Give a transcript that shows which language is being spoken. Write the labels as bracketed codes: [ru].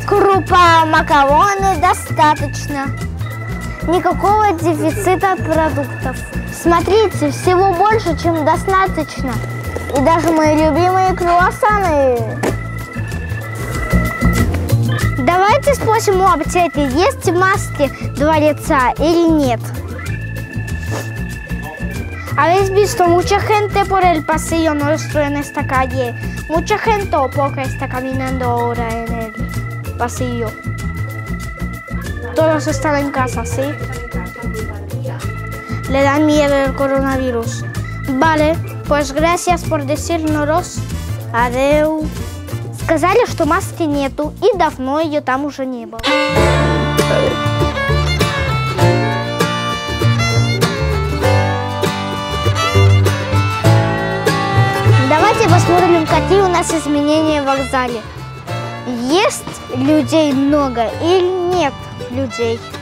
[ru] Крупа, макароны достаточно. Никакого дефицита продуктов. Смотрите, всего больше, чем достаточно. И даже мои любимые круассаны. Давайте спросим у аптеки, есть маски два лица или нет. [es] Habéis visto mucha gente por el pasillo nuestro en esta calle. Mucha gente o poca está caminando ahora en el pasillo. Todos están en casa, ¿sí? Le dan miedo el coronavirus. Vale, pues gracias por decirnos. Adiós. [ru] Сказали, что маски нету, и давно ее там уже не было. Посмотрим, какие у нас изменения в вокзале. Есть людей много или нет людей?